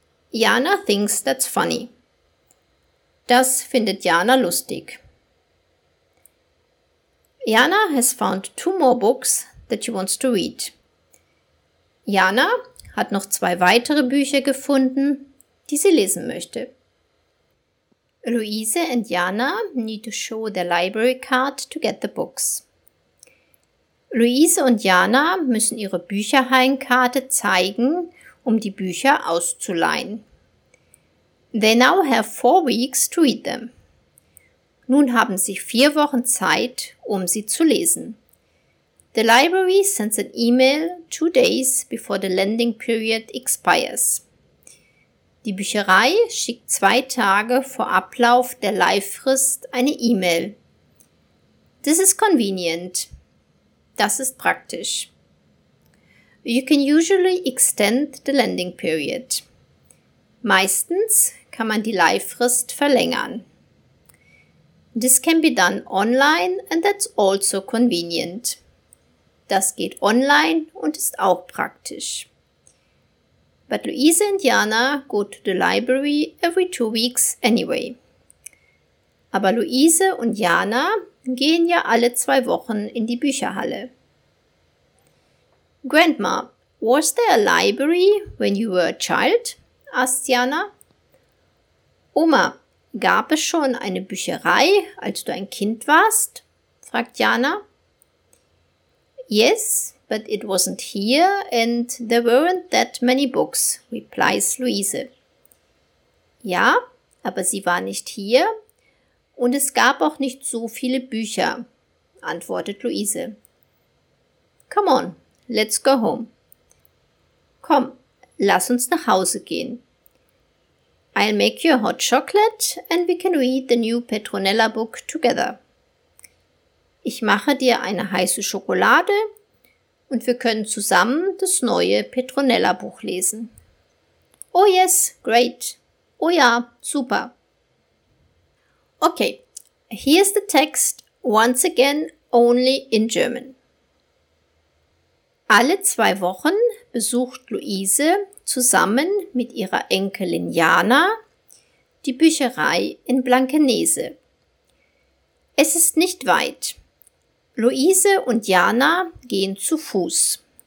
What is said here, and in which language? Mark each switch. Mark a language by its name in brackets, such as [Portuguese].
[English] Jana thinks that's funny. [German] Das findet Jana lustig. [English] Jana has found two more books that she wants to read. [German] Jana hat noch zwei weitere Bücher gefunden, die sie lesen möchte. [English] Luise and Jana need to show their library card to get the books. [German] Luise und Jana müssen ihre Bücherhallenkarte zeigen, um die Bücher auszuleihen. [English] They now have 4 weeks to read them. [German] Nun haben sie 4 Wochen Zeit, um sie zu lesen. [English] The library sends an email 2 days before the lending period expires. [German] Die Bücherei schickt 2 Tage vor Ablauf der Leihfrist eine E-Mail. [English] This is convenient. [German] Das ist praktisch. [English] You can usually extend the lending period. [German] Meistens kann man die Leihfrist verlängern. [English] This can be done online and that's also convenient. [German] Das geht online und ist auch praktisch. [English] But Luise and Jana go to the library every 2 weeks anyway. [German] Aber Luise und Jana gehen ja alle 2 Wochen in die Bücherhalle. [English] Grandma, was there a library when you were a child? Asked Jana. [German] Oma, gab es schon eine Bücherei, als du ein Kind warst? Fragt Jana. [English] Yes, but it wasn't here and there weren't that many books, replies Luise. [German] Ja, aber sie war nicht hier und es gab auch nicht so viele Bücher, antwortet Luise. [English] Come on, let's go home. [German] Komm, lass uns nach Hause gehen. [English] I'll make you a hot chocolate and we can read the new Petronella book together. [German] Ich mache dir eine heiße Schokolade und wir können zusammen das neue Petronella Buch lesen. [English] Oh yes, great. [German] Oh ja, super. [English] Okay, here's the text once again only in German. [German] Alle 2 Wochen besucht Luise zusammen mit ihrer Enkelin Jana die Bücherei in Blankenese. Es ist nicht weit. Luise und Jana gehen zu Fuß.